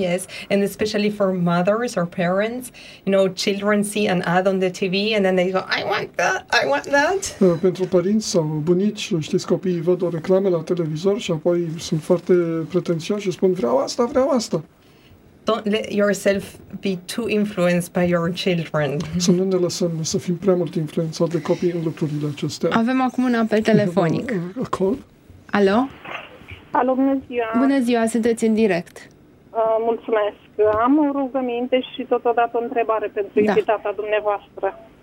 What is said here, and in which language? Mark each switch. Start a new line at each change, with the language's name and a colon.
English: Yes, and especially for mothers or parents, you know, children see an ad on the TV and then they go, I want that.
Romanian: Pentru părinți sau bunici, știți, copiii văd o reclamă la televizor și apoi sunt foarte pretențioși și spun vreau asta.
English: Don't let yourself be too influenced by your children.
Romanian: Să nu ne lăsăm să fim prea mult influențați de copii în lucrurile acestea. Avem acum un apel telefonic.
English: A call?
Romanian: Alo? Alo, bună ziua. Bună ziua, sunteți în direct. Mulțumesc. Am o rugăminte și totodată o întrebare pentru invitata dumneavoastră.